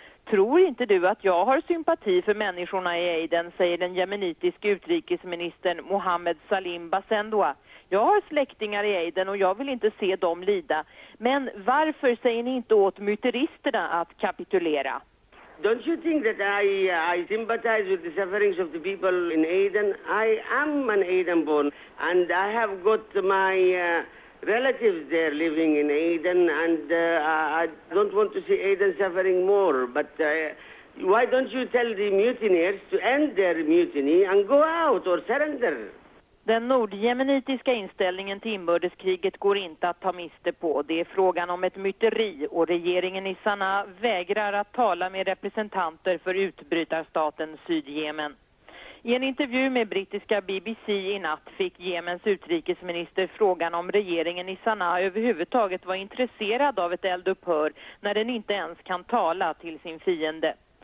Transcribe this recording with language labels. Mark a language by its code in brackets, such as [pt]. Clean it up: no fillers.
[sv] Tror inte du att jag har sympati för människorna i Aden, säger den jemenitiska utrikesministern Mohammed Salim Basendoa. Jag har släktingar i Aden och jag vill inte se dem lida. Men varför säger ni inte åt myteristerna att kapitulera? [en] Don't you think that I sympathize with the sufferings of the people in Aden? I am an Aden born and I have got my relatives there living in Aden and I don't want to see Aden suffering more, but why don't you tell the mutineers to end their mutiny and go out or surrender? [sv] Den nordjemenitiska inställningen till inbördeskriget går inte att ta miste på. Det är frågan om ett myteri och regeringen i Sanaa vägrar att tala med representanter för utbrytarstaten Sydjemen. I en intervju med brittiska BBC i natt fick Jemens utrikesminister frågan om regeringen i Sanaa överhuvudtaget var intresserad av ett eldupphör när den inte ens kan tala till sin fiende.